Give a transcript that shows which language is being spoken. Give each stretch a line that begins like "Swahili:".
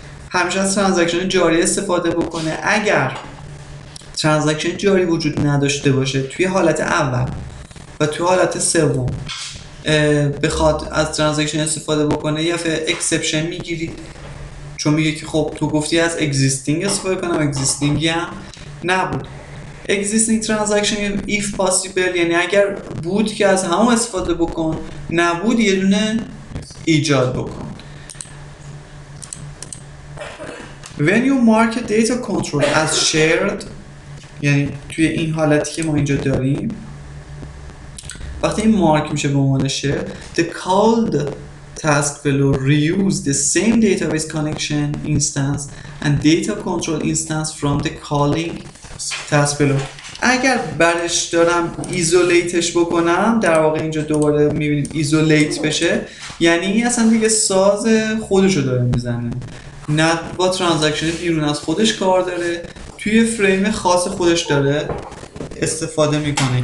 Persian: همیشه از ترانزکشن جاری استفاده بکنه. اگر ترانزکشن جاری وجود نداشته باشه توی حالت اول و توی حالت سوم بخواد از ترانزکشن استفاده بکنه، یا اکسپشن میگیری چون میگه که خب تو گفتی از اگزیستینگ استفاده کنم، اگزیستینگی هم نبود.
English: existing transaction if possible
Persian: یعنی اگر بود که از همون استفاده بکن، نبود یه دونه ایجاد بکن.
English: when you mark a data control as shared
Persian: یعنی توی این حالتی که ما اینجا داریم وقتی این مارک میشه به عنوان
English: shared، the called task will reuse the same database connection instance and data control instance from the calling
Persian: تست بلو. اگر برش دارم ایزولیتش بکنم، در واقع اینجا دوباره میبینیم ایزولیت بشه، یعنی اصلا دیگه ساز خودشو داره میزنه، نه با ترانزکشن بیرون از خودش کار داره، توی فریم خاص خودش داره استفاده میکنه.